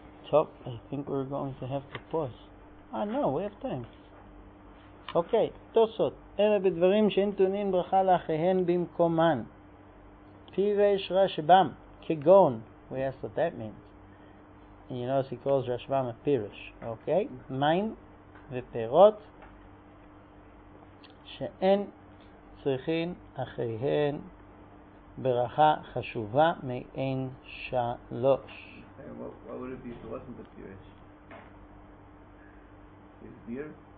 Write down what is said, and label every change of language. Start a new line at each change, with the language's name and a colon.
English: Top, I think we're going to have to pause. No, we have time. Okay, Tosot.
Hebrew: אלה בדברים שאין טעונים ברכה לאחיהן במקומן. פירש רשבם, כגון.
English: We ask what that means. And you notice he calls רשבם a פירש. Okay?
Hebrew: מים ופירות שאין צריכים אחיהן ברכה חשובה מעין שלוש.
English: Hey, what would it be if it wasn't a פירש? It's beer?